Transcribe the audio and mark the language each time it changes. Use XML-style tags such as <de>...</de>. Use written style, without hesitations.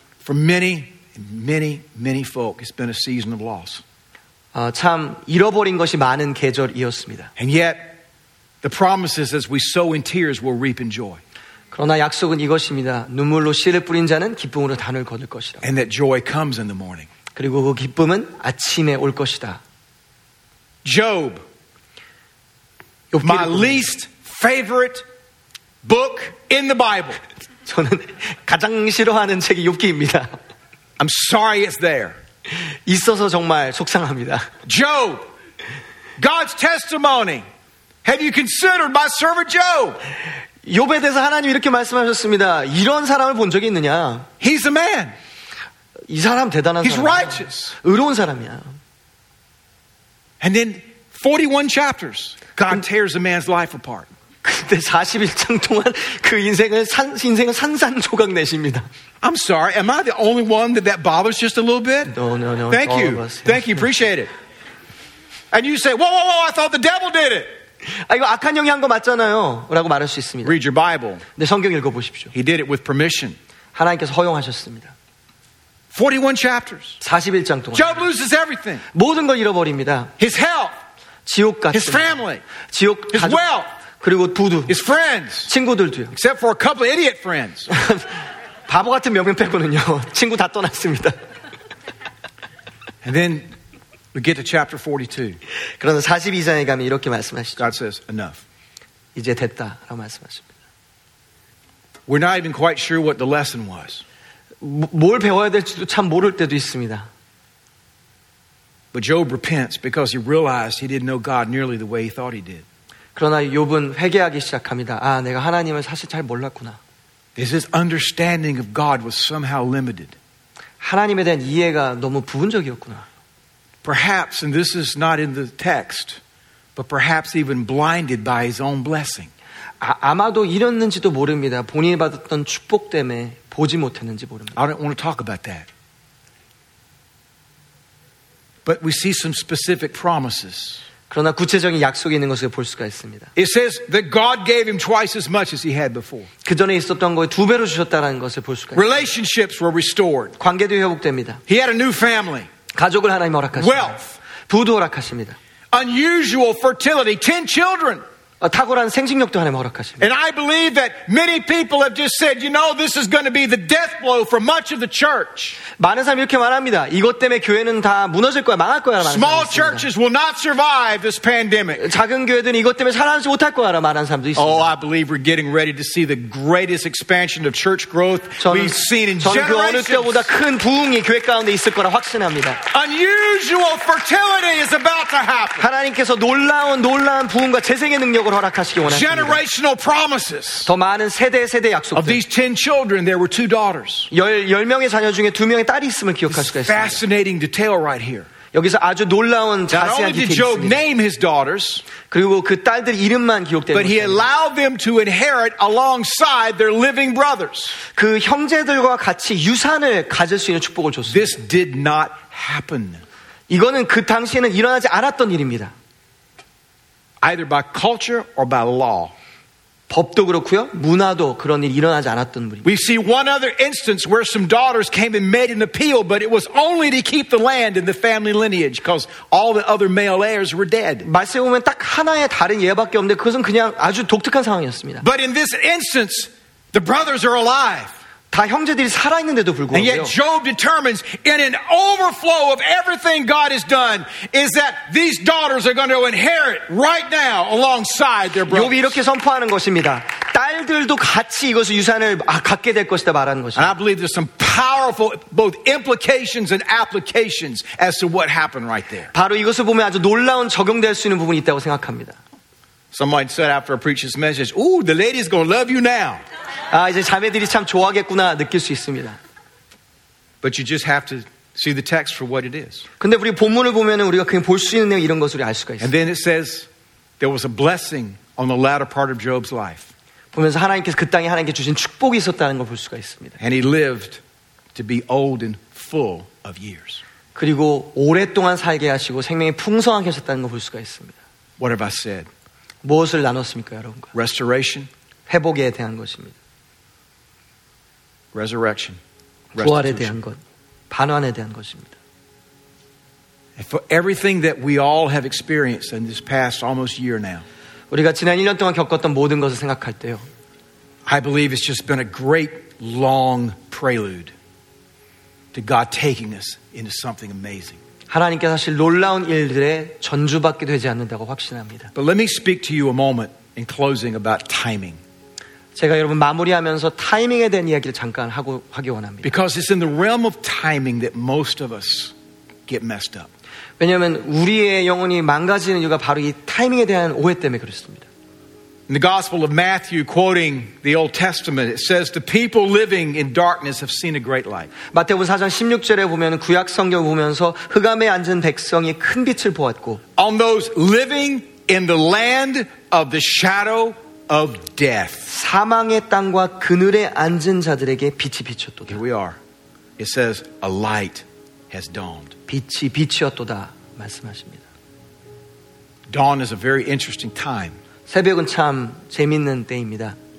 <en>For many, many, many folk, it's been a season of loss.</en> <ko>참 잃어버린 것이 많은 계절이었습니다.</ko> <en>And yet, the promises as we sow in tears will reap in joy.</en> <ko>그러나 약속은 이것입니다. 눈물로 씨를 뿌린 자는 기쁨으로 단을 거둘 것이라.</ko> <en>And that joy comes in the morning.</en> <ko>그리고 그 기쁨은 아침에 올 것이다.</ko> <en>Job, my least favorite book in the Bible.</en> <ko>저는 가장 싫어하는 책이 욥기입니다.</ko> <en>I'm sorry it's there.</en> <ko>있어서 정말 속상합니다.</ko> <en>Job, God's testimony. Have you considered my servant Job?</en> <ko>욥에 대해서 하나님이 이렇게 말씀하셨습니다. 이런 사람을 본 적이 있느냐?</ko> <en>He's a man.</en> <ko>이 사람 대단한</ko> <en>He's</en> <ko>사람이야.</ko> <en>Righteous.</en> <ko>의로운 사람이야.</ko> <en>And then 41 chapters, God tears a man's life apart.</en> <ko>근데 41장 동안 그 인생을 산산조각 내십니다.</ko> <en>I'm sorry, am I the only one that bothers just a little bit? No. Thank you. Thank you, appreciate it. And you say, whoa, I thought the devil did it.</en> <ko>아, 이거 악한 영이 한 거 맞잖아요. 라고 말할 수 있습니다.</ko> <en>Read your Bible.</en> <ko>네, 성경 읽어보십시오.</ko> <en>He did it with permission.</en> <ko>하나님께서 허용하셨습니다.</ko> <en>41 chapters.</en> <ko>41장 동안.</ko> <en>Job loses everything.</en> <ko>모든 걸 잃어버립니다.</ko> <en>His health.</en> <ko>지옥 같은.</ko> <en>His family.</en> <ko>지옥</ko> <en>His</en> <ko>가족.</ko> <en>wealth.</en> <ko>그리고 부두.</ko> <en>His friends.</en> <ko>친구들도요.</ko> <en>Except for a couple of idiot friends.</en> <ko>바보 같은 몇 명 빼고는요. 친구 다 떠났습니다.</ko> <en>And then we get to chapter 42.</en> <ko>그러나 42장에 가면 이렇게 말씀하시죠.</ko> <en>God says enough.</en> <ko>이제 됐다라고 말씀하십니다.</ko> <en>We're not even quite sure what the lesson was.</en> <ko>뭘 배워야 될지도 참 모를 때도 있습니다.</ko> <en>But Job repents because he realized he didn't know God nearly the way he thought he did.</en> <ko>그러나 욥은 회개하기 시작합니다. 아, 내가 하나님을 사실 잘 몰랐구나.</ko> <en>His understanding of God was somehow limited.</en> <ko>하나님에 대한 이해가 너무 부분적이었구나.</ko> <en>Perhaps, and this is not in the text, but perhaps even blinded by his own blessing.</en> <ko>아마도 이랬는지도 모릅니다. 본인이 받았던 축복 때문에 보지 못했는지 모릅니다.</ko> <en>I don't want to talk about that. But we see some specific promises.</en> <ko>그러나 구체적인 약속이 있는 것을 볼 수가 있습니다.</ko> <en>It says that God gave him twice as much as he had before.</en> <ko>그 전에 있었던 거에 두 배로 주셨다라는 것을 볼 수가 있습니다.</ko> <en>Relationships were restored.</en> <ko>관계도 회복됩니다.</ko> <en>He had a new family.</en> <ko>가족을 하나님 허락하십니다.</ko> <en>Wealth.</en> <ko>부도 허락하십니다.</ko> <en>Unusual fertility. 10 children.</en> <ko>탁월한 생식력도 하나님 허락하십니다.</ko> <en>And I believe that many people have just said, you know, this is going to be the death blow for much of the church.</en> <ko>많은 사람이 이렇게 말합니다. 이것 때문에 교회는 다 무너질 거야, 망할 거야.</ko> <en>Small churches will not survive this pandemic.</en> <ko>작은 교회들은 이것 때문에 살아남지 못할 거야, 말하는 사람도 있습니다.</ko> <en>Oh, I believe we're getting ready to see the greatest expansion of church growth we've seen in generations.</en> <ko>저는 그 어느 때보다 큰 부흥이 교회 가운데 있을 거라 확신합니다.</ko> <en>Unusual fertility is about to happen.</en> <ko>하나님께서 놀라운 부흥과 재생의 능력을</ko> <en>Generational promises.</en> <ko>더 많은 세대 약속.</ko> <en>Of these 10 children, there were two daughters.</en> <ko>열 명의 자녀 중에 두 명의 딸이 있음을 기억할 수가 있습니다.</ko> <en>Fascinating detail right here.</en> <ko>여기서 아주 놀라운 자세한 디테일이 있습니다.</ko> <en>Not only did Job name his daughters,</en> <ko>그리고 그 딸들 이름만 기억되는.</ko> <en>But he allowed them to inherit alongside their living brothers.</en> <ko>그 형제들과 같이 유산을 가질 수 있는 축복을 줬습니다.</ko> <en>This did not happen.</en> <ko>이거는 그 당시에는 일어나지 않았던 일입니다.</ko> <en>Either by culture or by law.</en> <ko>법도 그렇고요. 문화도 그런 일이 일어나지 않았던 분입니다.</ko> <en>We see one other instance where some daughters came and made an appeal, but it was only to keep the land and the family lineage because all the other male heirs were dead.</en> <ko>말씀해 보면 딱 하나의 다른 예밖에 없는데 그것은 그냥 아주 독특한 상황이었습니다.</ko> <en>But in this instance, the brothers are alive.</en> <ko>다 형제들이 살아있는데도 불구하고요.</ko> <en>And yet Job determines in an overflow of everything God has done is that these daughters are going to inherit right now alongside their brothers.</en> <ko>욥이 이렇게 선포하는 것입니다. 딸들도 같이 이것을 유산을 갖게 될 것이다 말하는 것입니다.</ko> <en>And I believe there's some powerful both implications and applications as to what happened right there.</en> <ko>바로 이것을 보면 아주 놀라운 적용될 수 있는 부분이 있다고 생각합니다.</ko> <en>Someone said after a preacher's message, "Ooh, the lady is going to love you now."</en> <ko>아 이제 자매들이 참 좋아하겠구나 느낄 수 있습니다.</ko> <en>But you just have to see the text for what it is.</en> <ko>근데 우리 본문을 보면은 우리가 그냥 볼 수 있는 내용 이런 것을 알 수가 있어요.</ko> <en>And then it says there was a blessing on the latter part of Job's life.</en> <ko>보면서 하나님께서 그 땅에 하나님께 주신 축복이 있었다는 걸 볼 수가 있습니다.</ko> <en>And he lived to be old and full of years.</en> <ko>그리고 오랫동안 살게 하시고 생명이 풍성하게 하셨다는 걸 볼 수가 있습니다.</ko> <en>What have I said?</en> <ko>무엇을 나눴습니까, 여러분과?</ko> <en>Restoration.</en> <ko>회복에 대한 것입니다.</ko> <en>Resurrection,</en> <ko>부활에 대한 것, 반환에 대한 것입니다.</ko> <en>And for everything that we all have experienced in this past almost year now,</en> <ko>우리가 지난 1년 동안 겪었던 모든 것을 생각할 때요,</ko> <en>I believe it's just been a great long prelude to God taking us into something amazing.</en> <ko>하나님께 사실 놀라운 일들의 전주밖에 되지 않는다고 확신합니다.</ko> <en>But let me speak to you a moment in closing about timing.</en> <ko>제가 여러분 마무리하면서 타이밍에 대한 이야기를 잠깐 하기 원합니다.</ko> <en>Because it's in the realm of timing that most of us get messed up.</en> <ko>왜냐하면 우리의 영혼이 망가지는 이유가 바로 이 타이밍에 대한 오해 때문에 그렇습니다.</ko> <en>In the Gospel of Matthew, quoting the Old Testament, it says, "The people living in darkness have seen a great light."</en> <ko>마태복음 4장 16절에 보면 구약 성경 보면서 흑암에 앉은 백성이 큰 빛을 보았고.</ko> <en>On those living in the land of the shadow. Of death.</en> <ko>사망의 땅과 그늘에 앉은 자들에게 빛이 비쳤도다.</ko> <en>Here we are. It says a light has dawned.</en> <ko>빛이 비치었도다 말씀하십니다.</ko> <en>Dawn is a very interesting time.</en> <ko>새벽은 참 재밌는 때입니다.</ko>